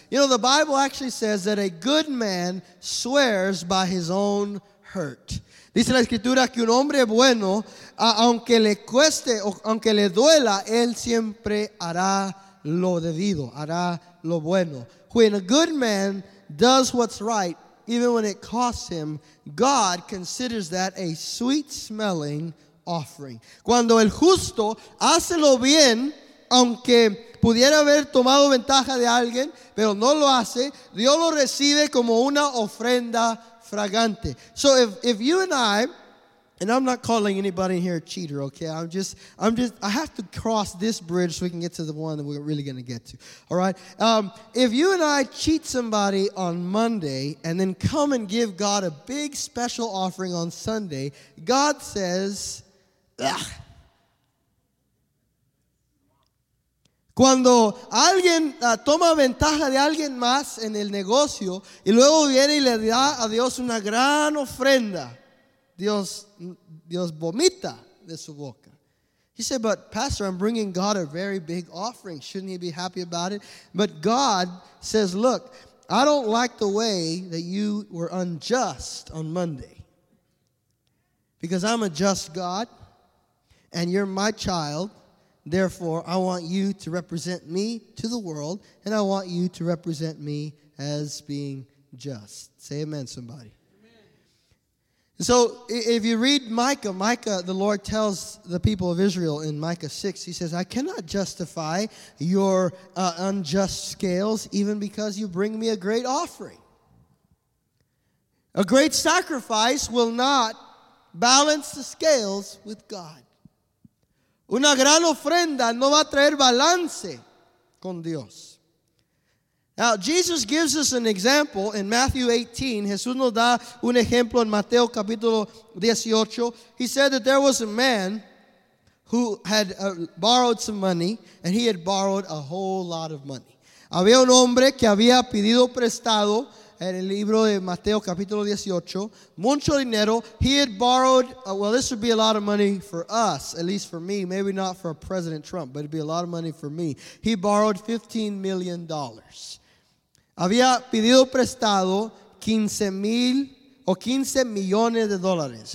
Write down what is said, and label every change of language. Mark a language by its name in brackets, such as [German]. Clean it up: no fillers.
[English] You know, the Bible actually says that a good man swears by his own hurt. [Spanish] Dice la escritura que un hombre bueno, aunque le cueste o aunque le duela, él siempre hará lo debido, hará lo bueno. [English] When a good man does what's right, even when it costs him, God considers that a sweet-smelling offering. [Spanish] Cuando el justo hace lo bien, aunque pudiera haber tomado ventaja de alguien, pero no lo hace, Dios lo recibe como una ofrenda fragante. [English] So if you and I, and I'm not calling anybody in here a cheater, okay? I'm just, I have to cross this bridge so we can get to the one that we're really going to get to, all right? If you and I cheat somebody on Monday and then come and give God a big special offering on Sunday, God says, ugh. [Spanish] Cuando alguien toma ventaja de alguien más en el negocio y luego viene y le da a Dios una gran ofrenda, Dios vomita de su boca. [English] He said, but pastor, I'm bringing God a very big offering. Shouldn't he be happy about it? But God says, look, I don't like the way that you were unjust on Monday. Because I'm a just God and you're my child. Therefore, I want you to represent me to the world, and I want you to represent me as being just. Say amen, somebody. Amen. So if you read Micah, the Lord tells the people of Israel in Micah 6, he says, I cannot justify your unjust scales even because you bring me a great offering. A great sacrifice will not balance the scales with God. [Spanish] Una gran ofrenda no va a traer balance con Dios. [English] Now, Jesus gives us an example in Matthew 18. [Spanish] Jesús nos da un ejemplo en Mateo capítulo 18. [English] He said that there was a man who had borrowed some money, and he had borrowed a whole lot of money. [Spanish] Había un hombre que había pedido prestado en el libro de Mateo capítulo 18. Mucho dinero. [English] He had borrowed, this would be a lot of money for us, at least for me, maybe not for President Trump, but it'd be a lot of money for me. He borrowed $15 million. [Spanish] Había pedido prestado 15 millones de dólares.